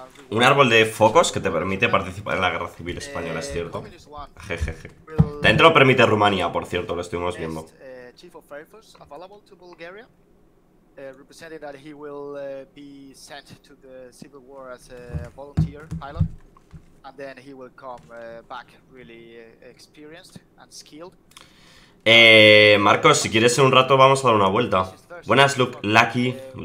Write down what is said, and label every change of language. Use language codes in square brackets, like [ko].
[es] Un árbol de focos que te permite participar en la guerra civil española, es cierto. Jejeje. Dentro lo permite Rumanía, por cierto, lo estuvimos viendo. [en] Chief of Air Force available to Bulgaria, representing that he will be sent to the civil war as a volunteer pilot, and then he will come back really experienced and skilled. [es] Marcos, si quieres en un rato vamos a dar una vuelta. Buenas, Lucky.